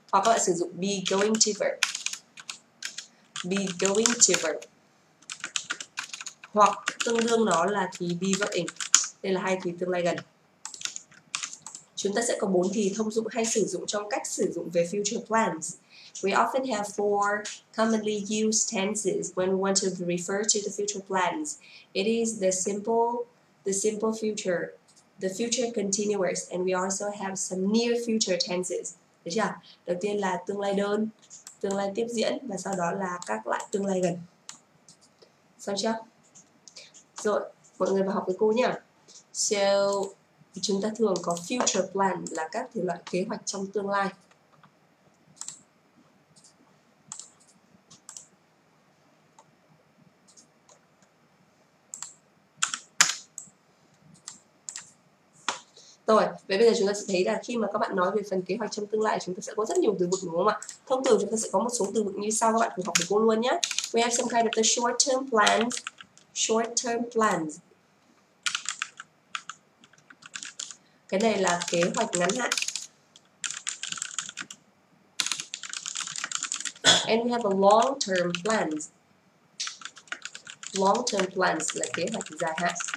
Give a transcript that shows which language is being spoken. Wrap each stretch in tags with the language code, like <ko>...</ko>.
<vi>Hoặc các bạn sử dụng</vi> <en>be going to verb,</en> <vi>be going to verb, hoặc tương đương nó là thì be verb in. Đây là hai thì tương lai gần. Chúng ta sẽ có bốn thì thông dụng hay sử dụng trong cách sử dụng về future plans.</vi> <en>We often have four commonly used tenses when we want to refer to the future plans. It is the simple future, the future continuous, and we also have some near future tenses.</en> <vi>Được chưa? Đầu tiên là tương lai đơn, tương lai tiếp diễn, và sau đó là các loại tương lai gần. Xong chưa? Rồi, mọi người vào học với cô nhé. So, chúng ta thường có future plan là các thể loại kế hoạch trong tương lai. Rồi, vậy bây giờ chúng ta sẽ thấy là khi mà các bạn nói về phần kế hoạch trong tương lai, chúng ta sẽ có rất nhiều từ vựng đúng không ạ? Thông thường chúng ta sẽ có một số từ vựng như sau, các bạn cùng học với cô luôn nhé.</vi> <en>We have some kind of the short-term plans. Short-term plans.</en> <vi>Cái này là kế hoạch ngắn hạn.</vi> <en>And we have a long-term plans. Long-term plans</en> <vi>là kế hoạch dài hạn.</vi>